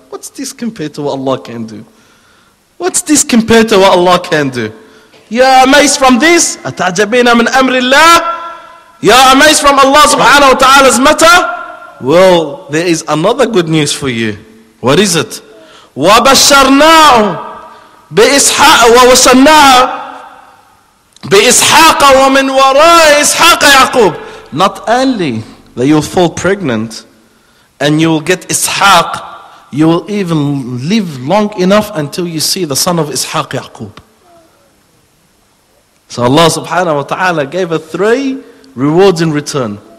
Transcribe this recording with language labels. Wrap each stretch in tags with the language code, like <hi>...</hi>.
<en>What's this compared to what Allah can do? What's this compared to what Allah can do? You're amazed from this?</en> <ar>أَتَعْجَبِينَ مِنْ أَمْرِ اللَّهِ.</ar> <en>You're amazed from Allah subhanahu wa ta'ala's matter? Well, there is another good news for you. What is it?</en> <ar>وَبَشَّرْنَاهُ. بإسحاق ووصلناها بإسحاق ومن وراء إسحاق يعقوب.</ar> <en>Not only that you'll fall pregnant and you will get Ishaq, you will even live long enough until you see the son of Ishaq, Yaqub. So Allah subhanahu wa ta'ala gave her three rewards in return.</en>